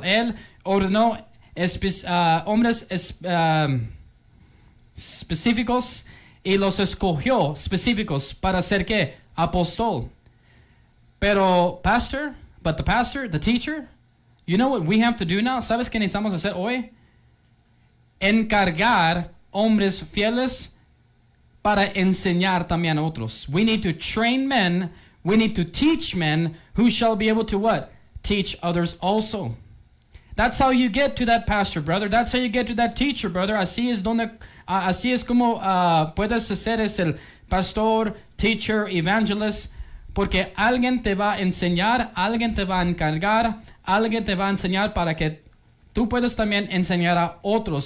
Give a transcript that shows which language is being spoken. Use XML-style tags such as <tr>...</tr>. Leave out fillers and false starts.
<es>Él ordenó hombres específicos y los escogió específicos para ser qué? Apóstol. Pero pastor,</es> <en>but the pastor, the teacher, you know what we have to do now?</en> <es>¿Sabes qué necesitamos hacer hoy? Encargar hombres fieles para enseñar también a otros.</es> <en>We need to train men. We need to teach men who shall be able to what? Teach others also. That's how you get to that pastor, brother. That's how you get to that teacher, brother.</en> <es>Así es donde, así es como puedes ser es el pastor, teacher, evangelist. Porque alguien te va a enseñar, alguien te va a encargar, alguien te va a enseñar para que tú puedas también enseñar a otros.</es>